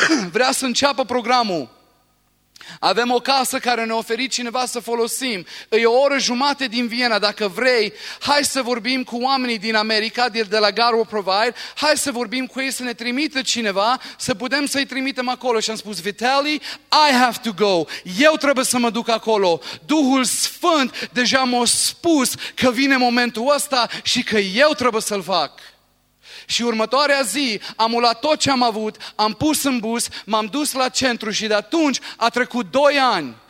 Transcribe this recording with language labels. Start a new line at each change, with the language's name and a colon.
Romanian: vrea să înceapă programul. Avem o casă care ne-a oferit cineva să folosim. E o oră jumate din Viena. Dacă vrei, hai să vorbim cu oamenii din America, de la Garo Provide. Hai să vorbim cu ei să ne trimită cineva, să putem să-i trimitem acolo. Și am spus,
English: Vitali, I have to go.
Romanian: Eu trebuie să mă duc acolo. Duhul Sfânt deja m-a spus că vine momentul ăsta și că eu trebuie să-l fac. Și următoarea zi am luat tot ce am avut, am pus în bus, m-am dus la centru și de atunci a trecut 2 ani.